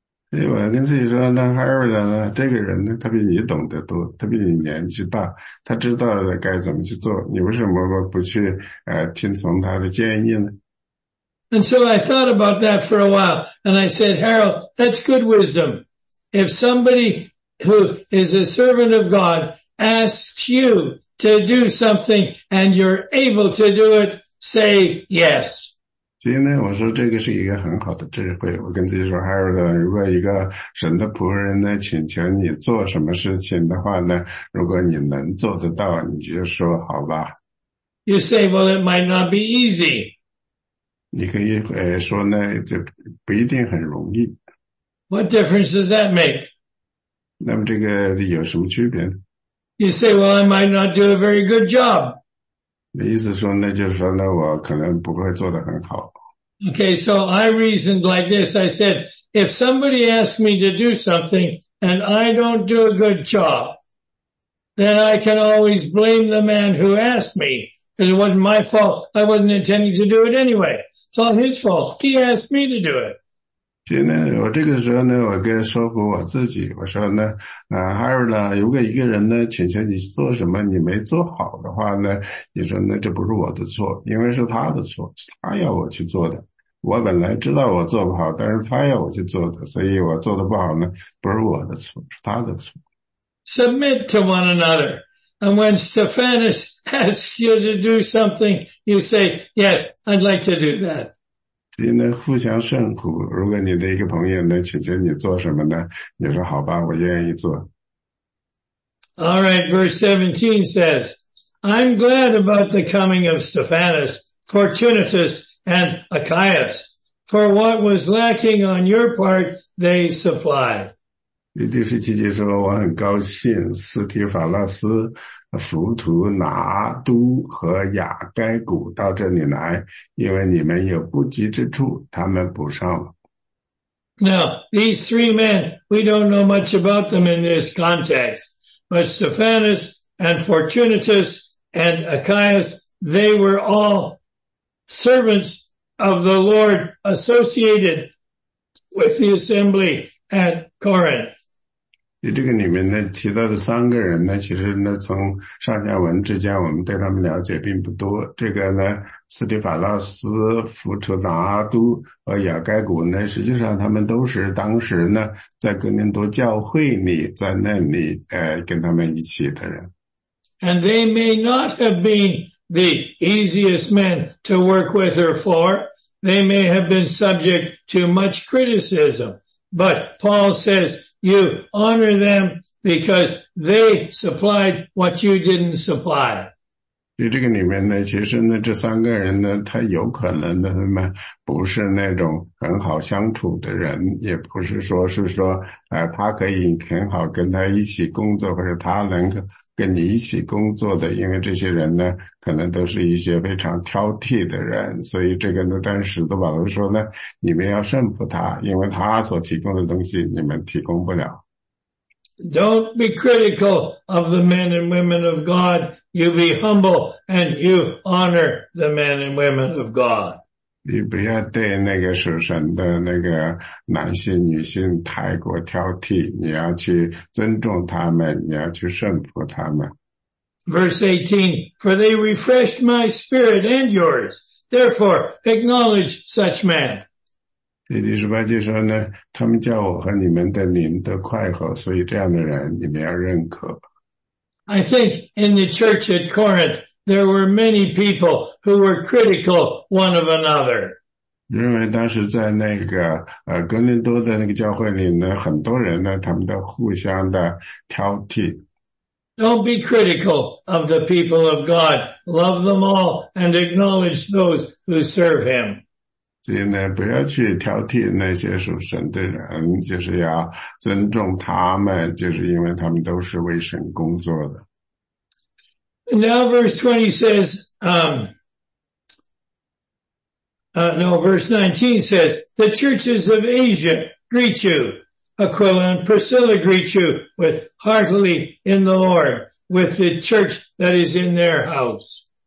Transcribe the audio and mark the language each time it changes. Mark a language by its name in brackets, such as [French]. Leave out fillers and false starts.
[Chinese] 对，我跟自己说，那哈尔德呢？这个人呢，他比你懂得多，他比你年纪大，他知道了该怎么去做。你为什么不去听从他的建议呢 [English] ？And so I thought about that for a while, and I said, Harold, that's good wisdom. If somebody who is a servant of God asks you to do something and you're able to do it, say yes. [Chinese] 所以呢，我说这个是一个很好的智慧。我跟自己说 ，Harold， 如果一个神的仆人呢请求你做什么事情的话呢，如果你能做得到，你就说好吧。 [English] You say, well, it might not be easy. [Chinese] 你可以说呢，就不一定很容易。 [English] What difference does that make? [Chinese] 那么这个有什么区别呢 [English] ？You say, well, I might not do a very good job. [Chinese] 你意思说呢，就是说呢，我可能不会做得很好。 [English] Okay, so I reasoned like this. I said, if somebody asks me to do something and I don't do a good job, then I can always blame the man who asked me because it wasn't my fault. I wasn't intending to do it anyway. It's all his fault. He asked me to do it. [Chinese] 现在我这个时候呢，我跟说服我自己，我说呢，Harold 呢，如果一个人呢请求你做什么，你没做好的话呢，你说那这不是我的错，因为是他的错，是他要我去做的。我本来知道我做不好，但是他要我去做的，所以我做的不好呢，不是我的错，是他的错。 [English] Submit to one another, and when Stephanus asks you to do something, you say, "Yes, I'd like to do that." [Chinese] 所以呢，互相顺服。如果你的一个朋友呢，请求你做什么呢？你说好吧，我愿意做。 [English] All right, verse 17 says, I'm glad about the coming of Stephanus, Fortunatus, and Achaeus, for what was lacking on your part, they supplied. [Chinese] 第十七节说，我很高兴，斯提法拉斯、浮屠拿都和雅该古到这里来，因为你们有不及之处，他们补上了。 [English] Now, these three men, we don't know much about them in this context, but Stephanus and Fortunatus and Achaeus, they were all servants of the Lord associated with the assembly at Corinth. [Chinese] 这个里面呢提到的三个人呢其实呢从上下文之间我们对他们了解并不多。这个呢斯蒂法拉斯、弗图达都和雅盖古呢实际上他们都是当时呢在哥林多教会里在那里跟他们一起的人。 [English] And they may not have been the easiest men to work with or for. They may have been subject to much criticism. But Paul says,You honor them because they supplied what you didn't supply. [Chinese] 这个里面呢其实呢这三个人呢他有可能呢他们不是那种很好相处的人也不是说是说他可以很好跟他一起工作或者他能跟你一起工作的因为这些人呢可能都是一些非常挑剔的人所以这个呢但是都保罗说呢你们要顺服他因为他所提供的东西你们提供不了。 [English] Don't be critical of the men and women of God. You be humble and you honor the men and women of God. [Chinese] 你不要对那个属神的那个男性女性太过挑剔你要去尊重他们你要去顺服他们。 [English] Verse 18, For they refreshed my spirit and yours. Therefore, acknowledge such men. [Chinese] 第十八节说呢他们叫我和你们的灵都快活所以这样的人你们要认可。 [English] I think in the church at Corinth, there were many people who were critical one of another. [Chinese] 因为当时在那个哥林多在那个教会里呢很多人呢他们都互相的挑剔。 [English] Don't be critical of the people of God. Love them all and acknowledge those who serve him. [Chinese] 所以呢不要去挑剔那些属神的人就是要尊重他们就是因为他们都是为神工作的。 [English] Now verse 20 says, verse 19 says, The churches of Asia greet you, Aquila and Priscilla greet you with heartily in the Lord, with the church that is in their house.